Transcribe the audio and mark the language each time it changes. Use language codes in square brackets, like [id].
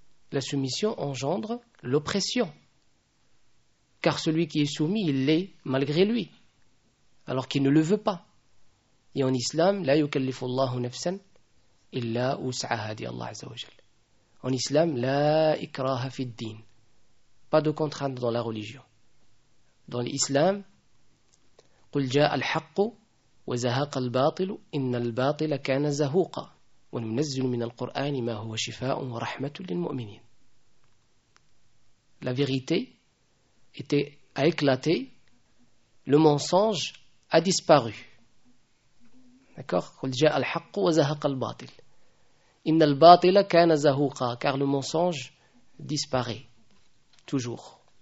[fr] La soumission engendre l'oppression. Car celui qui est soumis, il l'est malgré lui, alors qu'il ne le veut pas. Et en islam, [ar] la yukallifullahu nafsan illa wus'aha, [fr] dit Allah Azza wa Jal. En islam, [ar] la ikraha fid din. [fr] Pas de contrainte dans la religion. Dans l'islam, [ar] قُلْ جَاءَ الْحَقُّ وَزَهَقَ الْبَاطِلُ إِنَّ الْبَاطِلَ كَانَ زَهُوقًا وَنُنَزِّلُ مِنَ الْقُرْآنِ مَا هُوَ شِفَاءٌ وَرَحْمَةٌ لِلْمُؤْمِنِينَ. [fr] La vérité a éclaté, le mensonge a disparu. D'accord ? [ar] قُلْ جَاءَ الْحَقُّ وَزَهَقَ الْبَاطِلُ إِنَّ الْبَاطِلَ كَانَ زَهُوقًا. [fr] Car le mensonge disparaît, toujours.